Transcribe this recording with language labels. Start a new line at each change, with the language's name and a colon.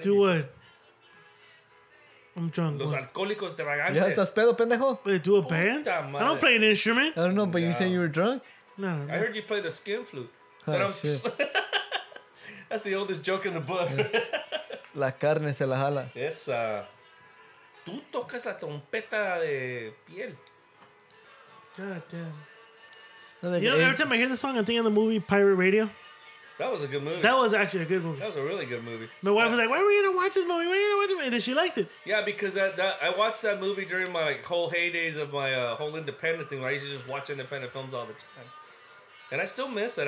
English: Do what? I'm drunk.
Spanish: Los alcohólicos de vagantes. Yeah, estás pedo, pendejo.
English: But do a band? I don't play an instrument. I don't know, but no. You saying you were drunk? No. I heard you play the skin flute. Oh, shit. That's the oldest joke in the book.
Spanish: La carne se la jala. Esa. Tú tocas la trompeta de piel.
English: God damn. No, you know, every time I hear the song, I think of the movie Pirate Radio. That was a good movie. That was actually a good movie. That was a really good movie. My wife was like, why are we going to watch this movie? Why are we going to watch it? And then she liked it. Yeah, because I watched that movie during my whole heydays of my whole independent thing. I used to just watch independent films all the time. And I still miss that.